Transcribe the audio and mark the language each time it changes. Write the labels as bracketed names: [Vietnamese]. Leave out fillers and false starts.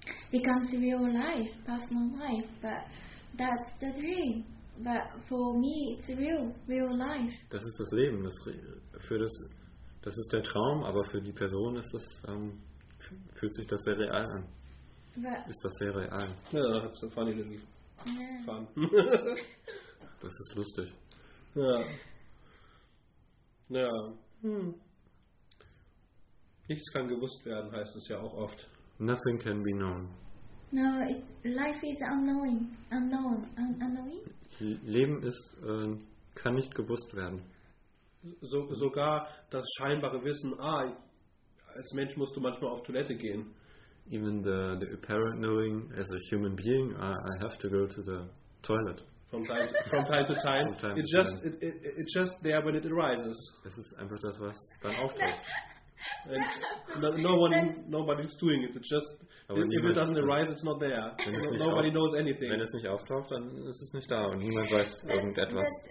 [English] Becomes real life, personal life, but that's the dream. But for me, it's real life. [German] Das ist das Leben. Das ist der Traum, aber für die Person ist das, fühlt sich das sehr real an. [English] But [German] ist das sehr real? Ja, das ist funny. [English] Yeah. Fun. [German] Das ist lustig. Ja. Ja. Nichts kann gewusst werden, heißt es ja auch oft. [English] Nothing can be known. No, life is unknowing. Unknown. Unknowing? [German] Leben ist, kann nicht gewusst werden. Sogar das scheinbare Wissen, als Mensch musst du manchmal auf Toilette gehen. [English] Even the apparent knowing as a human being, I have to go to the toilet. From time to time. It's just there when it arises. [German] Es ist einfach das, was dann auftaucht. [English] Nobody's doing it. It's just if it doesn't arise, it's not there. Nobody knows anything. [German] Wenn es nicht auftaucht, dann ist es nicht da und niemand weiß irgendetwas.